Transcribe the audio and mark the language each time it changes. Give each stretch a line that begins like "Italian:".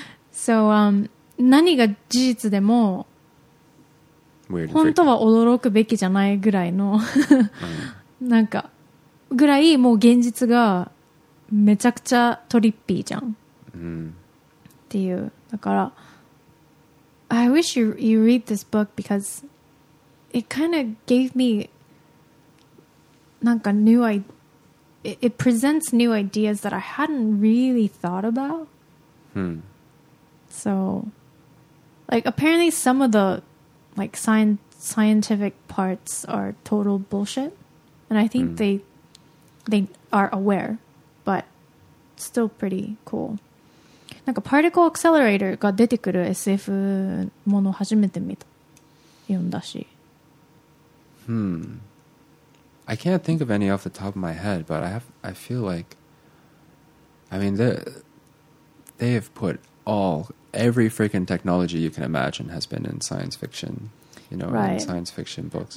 Japanese: So, 何が事実でも本当は驚くべきじゃないぐらいのなんかぐらいもう現実がめちゃくちゃトリッピーじゃんっていう。
English: だから I wish you read this book because it kind of gave me なんか new it presents new ideas that I hadn't really thought about. So like apparently some of the like scientific parts are total bullshit, and I think they are aware, but still pretty cool.
Japanese: なんかパーティクルアクセラレーターが出てくる SF もの初めて見た読んだし。
English: I can't think of any off the top of my head, but they have put all. Every freaking technology you can imagine has been in science fiction, you know, right. in science fiction books.